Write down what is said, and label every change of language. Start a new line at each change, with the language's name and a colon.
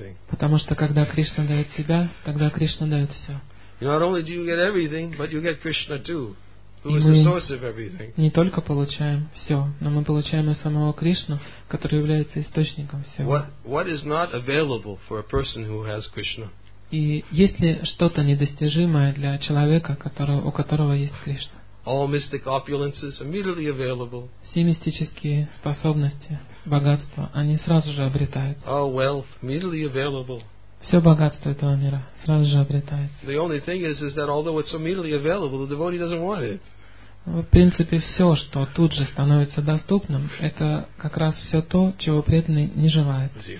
Russian: Потому что когда Кришна дает себя, тогда Кришна дает все.
English: Not only do you get everything, but you get Krishna too, who is the source of everything.
Russian: Не только получаем все, но мы получаем и самого Кришну, который является источником всего.
English: What is not available for a person who has Krishna?
Russian: И есть ли что-то недостижимое для человека, у которого есть Кришна?
English: All mystic opulences immediately available.
Russian: Все мистические способности, богатства, они сразу же обретаются.
English: All wealth immediately available.
Russian: Все богатство этого мира сразу же обретается. В принципе, все, что тут же становится доступным, это как раз все то, чего преданный не желает.